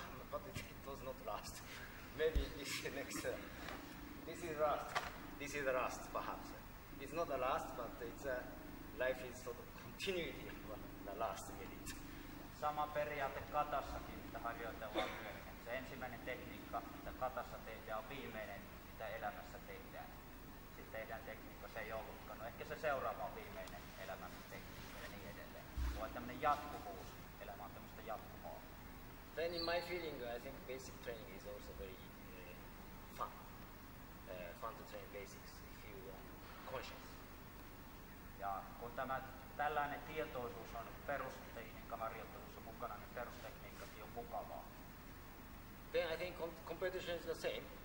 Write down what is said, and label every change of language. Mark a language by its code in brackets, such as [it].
[en] But it was not last. Maybe this is next. This is last. This is the last, perhaps. It's not the last, but it's a life is sort of continuity of the last minute. [fi] Sama periaate katassakin, mitä harjoitellaan myöhemmin. Se ensimmäinen tekniikka, mitä katassa tehdään, on viimeinen, mitä elämässä tehdään. Sitten teidän tekniikko, se ei ollutkaan. No ehkä se seuraava on viimeinen elämän tekniikko ja niin edelleen. Voi tämmöinen jatkuvuus, elämä on tämmöistä jatkumoa. [en] Then in my feeling, I think basic training is also very fun. Fun to train basics if you are conscious. [fi] Ja kun tämä tällainen tietoisuus on perustekniikka harjoittelussa mukana, niin perustekniikkakin on mukavaa. [en] Then I think competition is the same.